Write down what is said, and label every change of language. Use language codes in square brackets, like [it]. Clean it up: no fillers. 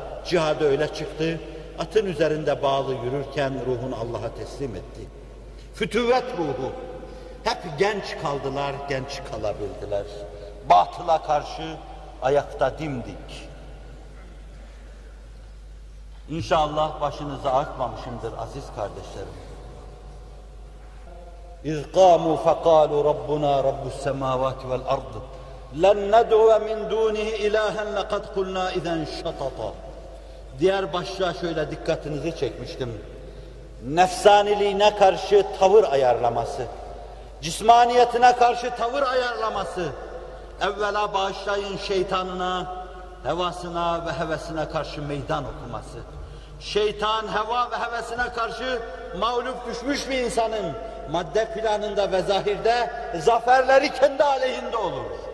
[tr] Cihada öyle çıktı. Atın üzerinde bağlı yürürken ruhunu Allah'a teslim etti. Fütüvvet ruhu. Hep genç kaldılar, genç kalabildiler. Batıla karşı ayakta dimdik. İnşallah başınızı açmamışımdır aziz kardeşlerim. [ar] اِذْ قَامُوا فَقَالُوا رَبُّنَا رَبُّ السَّمَاوَاتِ وَالْأَرْضِ لَنْ نَدْعُوَ مِنْ دُونِهِ اِلَٰهًا لَقَدْ قُلْنَا اِذَنْ شَطَطَ [tr] Diğer başlığa şöyle dikkatinizi çekmiştim. Nefsaniliğine karşı tavır ayarlaması, cismaniyetine karşı tavır ayarlaması, evvela bağışlayın şeytanına, hevasına ve hevesine karşı meydan okuması. Şeytan heva ve hevesine karşı mağlup düşmüş bir insanın madde planında ve zahirde zaferleri kendi aleyhinde olur.